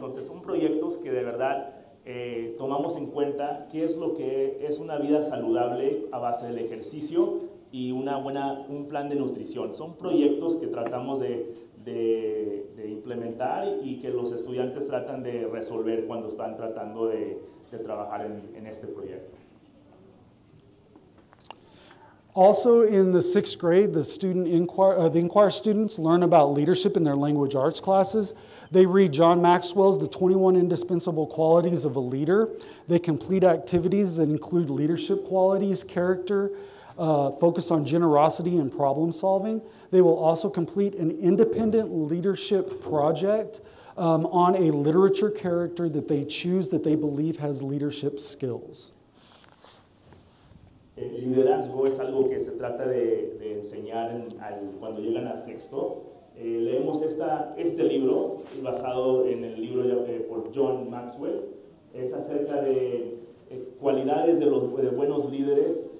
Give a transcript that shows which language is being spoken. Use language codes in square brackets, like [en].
[es] Entonces, son proyectos que de verdad tomamos en cuenta qué es lo que es una vida saludable a base del ejercicio y un plan de nutrición. Son proyectos que tratamos de implementar y que los estudiantes tratan de resolver cuando están tratando de trabajar en este proyecto. [en] Also in the sixth grade, the Inquire students learn about leadership in their language arts classes. They read John Maxwell's The 21 Indispensable Qualities of a Leader. They complete activities that include leadership qualities, character, focus on generosity and problem solving. They will also complete an independent leadership project on a literature character that they choose that they believe has leadership skills. [es] El liderazgo es algo que se trata de enseñar cuando llegan a sexto. Leemos este libro, basado en el libro por John Maxwell. Es acerca de cualidades de buenos líderes.